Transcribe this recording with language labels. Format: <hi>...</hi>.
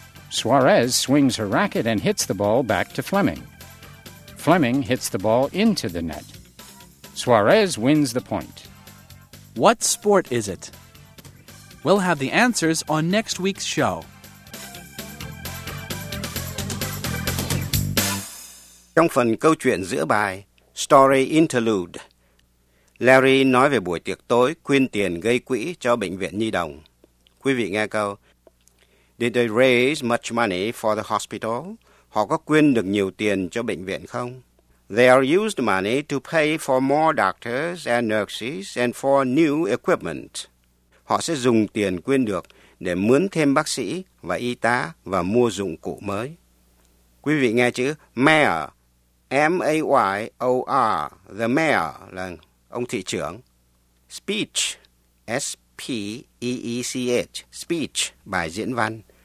<en>Suarez swings her racket and hits the ball back to Fleming. Fleming hits the ball into the net. Suarez wins the point. What sport is it? We'll have the answers on next week's show.</en> <vi>Trong phần câu chuyện giữa bài, Story Interlude, Larry nói về buổi tiệc tối quyên tiền gây quỹ cho bệnh viện nhi đồng. Quý vị nghe câu,</vi> <en>Did they raise much money for the hospital?</en> <vi>Họ có quyên được nhiều tiền cho bệnh viện không?</vi> <en>They are used money to pay for more doctors and nurses and for new equipment.</en> <vi>Họ sẽ dùng tiền quyên được để mướn thêm bác sĩ và y tá và mua dụng cụ mới. Quý vị nghe chữ mayor, M-A-Y-O-R,</vi> <en>the mayor</en> <vi>là ông thị trưởng.</vi> <en>Speech, S-P-E-E-C-H, speech,</en> <vi>bài diễn văn.</vi>